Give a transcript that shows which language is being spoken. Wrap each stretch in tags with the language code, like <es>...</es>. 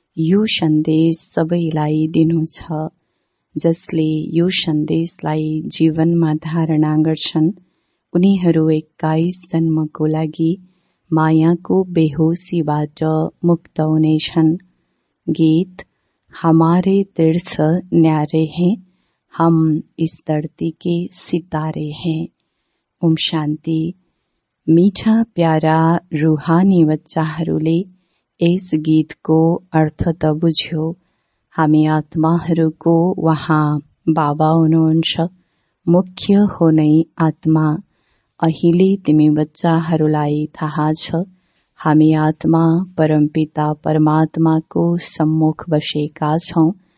<ne>यो सन्देश सबैलाई दिनु छ। जसले यो सन्देशलाई जीवनमा धारणा गर्छन् उनीहरू 21 जन्मको लागि मायाको बेहोसीबाट मुक्त हुनेछन्।</ne> <hi>गीत, हमारे तीर्थ न्यारे हैं, हम इस धरती के सितारे हैं। ओम शांति।</hi> <ne>मीठा प्यारा रूहानी बच्चाहरूले यस गीतको अर्थ त बुझ्यो। हामी आत्माहरूको वहाँ बाबा हुनुहुन्छ, मुख्य हो नै आत्मा। अहिले तिमी बच्चाहरूलाई थाहा छ, हामी आत्मा परमपिता परमात्माको सम्मुख बसेका छौँ।</ne>